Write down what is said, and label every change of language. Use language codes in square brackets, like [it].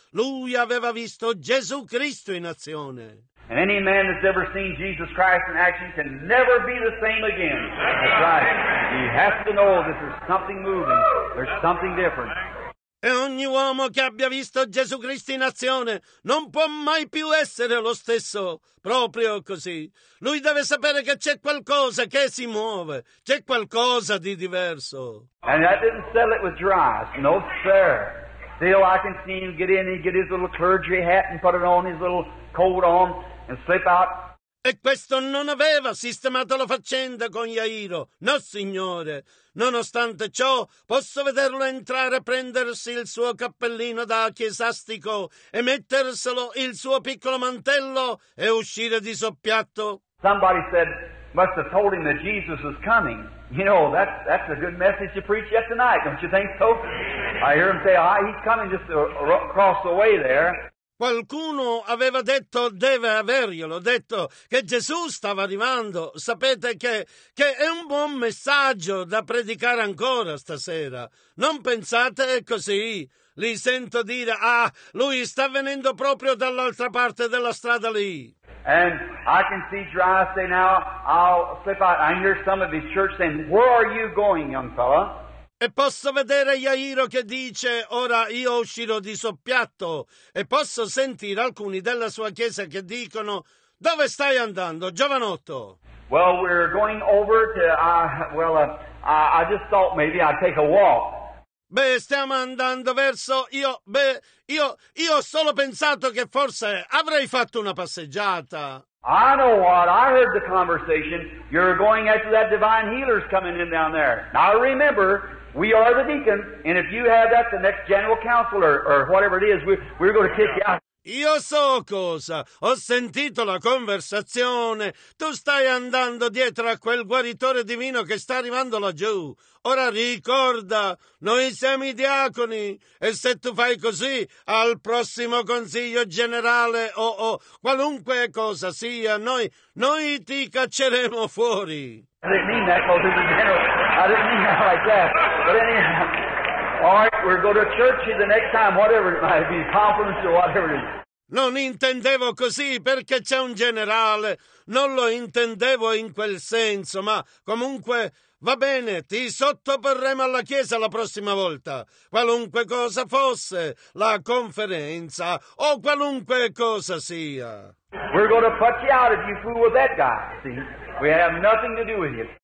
[it] Lui aveva visto Gesù Cristo in azione. [en] And any man that's ever seen Jesus Christ in action can never be the same again. That's right. You have to know that there's something moving. There's something different. [it] E ogni uomo che abbia visto Gesù Cristo in azione non può mai più essere lo stesso. Proprio così. Lui deve sapere che c'è qualcosa che si muove. C'è qualcosa di diverso. [en] And I didn't settle it with Jairus. No, sir. Still, I can see him get in and get his little clergy hat and put it on, his little coat on, and slip out. [it] E questo non aveva sistemato la faccenda con Jairo. No, signore. Nonostante ciò, posso vederlo entrare, prendersi il suo cappellino da chiesastico e metterselo il suo piccolo mantello e uscire di soppiatto. [en] Somebody said, must have told him that Jesus was coming. You know, that's a good message to preach yet tonight, don't you think so? I hear him say, he's coming just across the way there. [it] Qualcuno aveva detto, deve averglielo detto, che Gesù stava arrivando. Sapete che è un buon messaggio da predicare ancora stasera. Non pensate così. Li sento dire, lui sta venendo proprio dall'altra parte della strada lì. [en] And I can see Jairus say now, I'll slip out. I hear some of his church saying, where are you going, young fella? [it] E posso vedere Jairo che dice, ora io uscirò di soppiatto. E posso sentire alcuni della sua chiesa che dicono, dove stai andando, giovanotto? [en] Well, we're going over to, I just thought maybe I'd take a walk. [it] Beh, stiamo andando verso, io ho solo pensato che forse avrei fatto una passeggiata. [en] I know what, I heard the conversation, you're going after that divine healer's coming in down there. Now remember, we are the deacon, and if you have that, the next general council or whatever it is, we're going to kick you out. [it] Io so cosa, ho sentito la conversazione, tu stai andando dietro a quel guaritore divino che sta arrivando laggiù. Ora ricorda, noi siamo i diaconi, e se tu fai così, al prossimo consiglio generale o qualunque cosa sia, noi ti cacceremo fuori. [en] I didn't mean that, because it was general. I didn't mean that like that. But anyhow, all right, we'll go to church the next time, whatever it might be, conference or whatever it is. [it] Non intendevo così perché c'è un generale. Non lo intendevo in quel senso, ma comunque va bene, ti sottoporremo alla chiesa la prossima volta. Qualunque cosa fosse, la conferenza o qualunque cosa sia. [en] We're going to put you out if you fool with that guy, see? We have nothing to do with you.